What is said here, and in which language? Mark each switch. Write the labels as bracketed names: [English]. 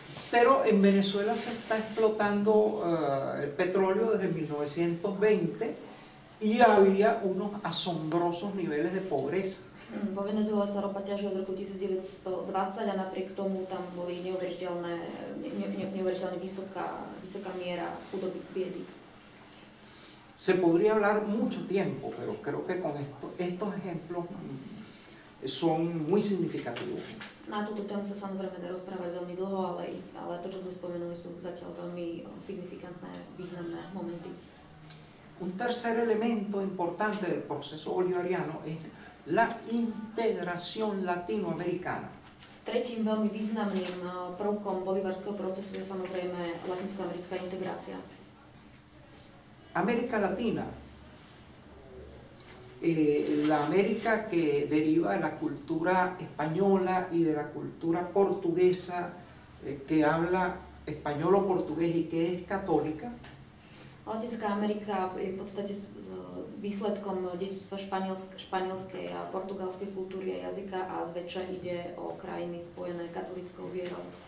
[Spanish] Pero en Venezuela se está explotando el petróleo desde 1920 y había unos asombrosos niveles de pobreza. [Slovak] Vo Venezuela sa ropa ťažila od roku 1920 a napriek tomu tam boli neuveriteľne vysoká miera chudoby, biedy. [Spanish] Se podría hablar mucho tiempo, pero creo que con estos ejemplos son muy significativos. [Slovak] Na túto tému sa samozrejme nerozprávať veľmi dlho, ale to, čo sme spomenuli, sú zatiaľ veľmi signifikantné, významné momenty. [Spanish] Un tercer elemento importante del proceso bolivariano es la integración latinoamericana. [Slovak] Tretím veľmi významným prvkom bolivarského procesu je samozrejme latinskoamerická integrácia. [Spanish] América Latina. La América que deriva de la cultura española y de la cultura portuguesa, que habla español o portugués y que es católica. [Slovak] Latinská Amerika je v podstate výsledkom dedičstva španielskej a portugalskej kultúry a jazyka a zväčša ide o krajiny spojené katolickou vierou.